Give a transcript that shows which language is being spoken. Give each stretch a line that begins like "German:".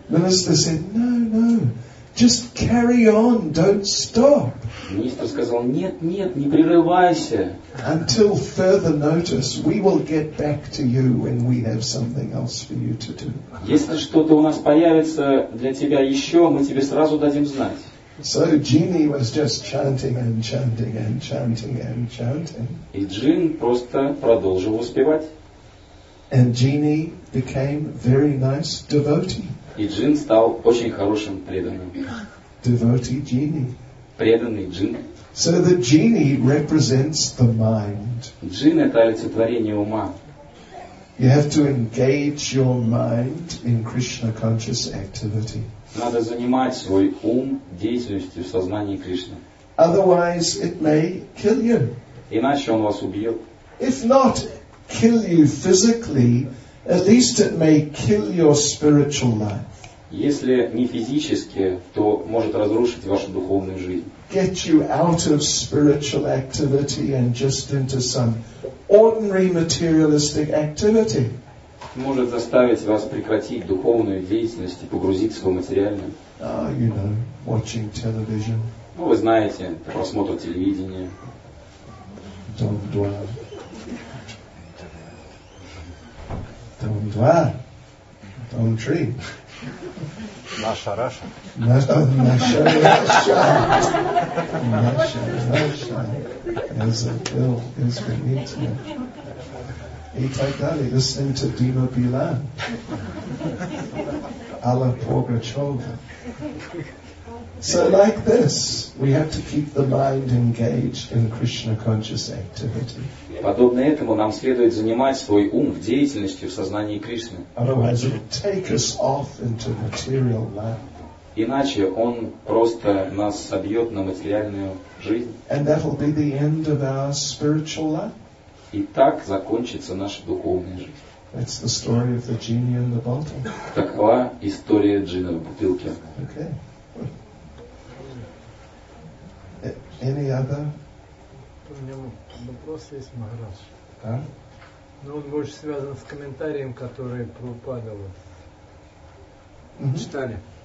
English: Minister said, no, no, just carry on, don't stop.
Russian: Министр сказал, нет, нет, не прерывайся.
English: Until further notice, we will get back to you when we have something else for you to do.
Russian: Если что-то у нас появится для тебя еще, мы тебе сразу дадим знать.
English: So Genie was just chanting and chanting and chanting and chanting.
Russian: И Джин просто продолжил успевать.
English: And Genie became very nice devotee.
Russian: И Джин стал очень хорошим преданным.
English: Devotee Genie.
Russian: Преданный Джин.
English: So the Genie represents the mind.
Russian: Джин — это олицетворение ума.
English: You have to engage your mind in Krishna conscious activity.
Russian: Надо занимать свой ум деятельностью в сознании Кришны.
English: Otherwise it may kill you.
Russian: Иначе он вас убьет.
English: If not kill you physically, at least it may kill your spiritual life.
Russian: Если не физически, то может разрушить вашу духовную жизнь.
English: Get you out of spiritual activity and just into some ordinary materialistic activity.
Russian: Может заставить вас прекратить духовную деятельность и погрузиться в материальное.
English: You know, watching television.
Russian: Ну, вы знаете, просмотр телевидения. Дом-два. Дом-два. Дом-три. Наша Раша. Наша Раша. Наша Раша.
English: As a bill is beneath me.
Russian: И так далее,
English: listening to Дима Билан, Алла Пугачёва. So like this, we have to keep the mind engaged in Krishna conscious activity.
Russian: Подобно этому нам следует занимать свой ум в деятельности в сознании Кришны.
English: Otherwise, it will take us off into material life.
Russian: Иначе он просто нас собьет на материальную жизнь.
English: And that will be the end of our spiritual life.
Russian: И так закончится наша духовная жизнь.
English: That's the story of the genie in the bottle.
Russian: Такова история джина в бутылке.
English: Okay. Any other?
Russian: У меня вопрос есть, Махарадж. Да? Но он больше связан с комментарием, который Прабхупада вот читали.